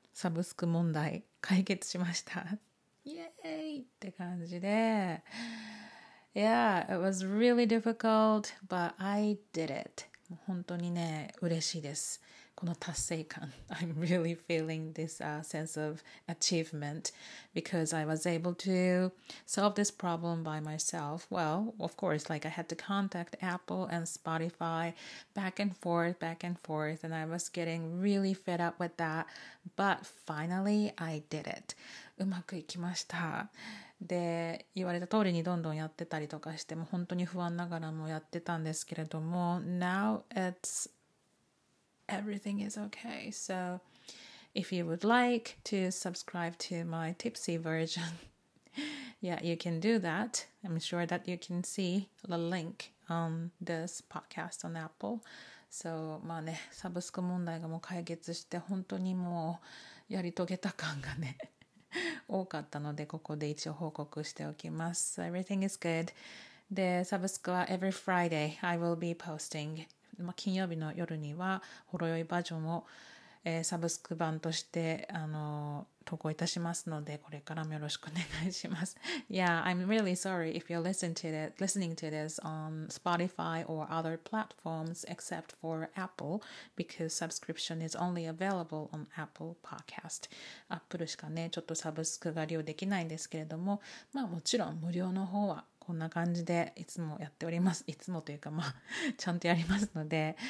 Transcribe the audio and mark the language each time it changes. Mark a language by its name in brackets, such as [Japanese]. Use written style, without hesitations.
[Japanese] サブスク問題解決しました。イエーイって感じで、 [English] Yeah, it was really difficult, but I did it。 [Japanese] 本当にね、嬉しいです、この達成感。 [English] I'm really feeling this、sense of achievement because I was able to solve this problem by myself. Well, of course, like I had to contact Apple and Spotify back and forth, and I was getting really fed up with that. But finally, I did it. [Japanese] うまくいきました。で、言われた通りにどんどんやってたりとかして、もう本当に不安ながらもやってたんですけれども、 [English] Now it'sEverything is okay. So if you would like to subscribe to my tipsy version, yeah, you can do that. I'm sure that you can see the link on this podcast on Apple. [Japanese] So, まあね、サブスク問題がもう解決して本当にもうやり遂げた感がね多かったので、ここで一応報告しておきます。 [English] So, everything is good. [Japanese] で、サブスクは [English] every Friday I will be posting. [Japanese] まあ、金曜日の夜にはほろ酔いバージョンを、サブスク版として、投稿いたしますので、これからもよろしくお願いします。 [English] Yeah, I'm really sorry if you're listening to this on Spotify or other platforms except for Apple, because subscription is only available on Apple Podcast. [Japanese] Apple しかね、ちょっとサブスクが利用できないんですけれども、まあもちろん無料の方はこんな感じでいつもやっております。いつもというか、まあ、ちゃんとやりますので。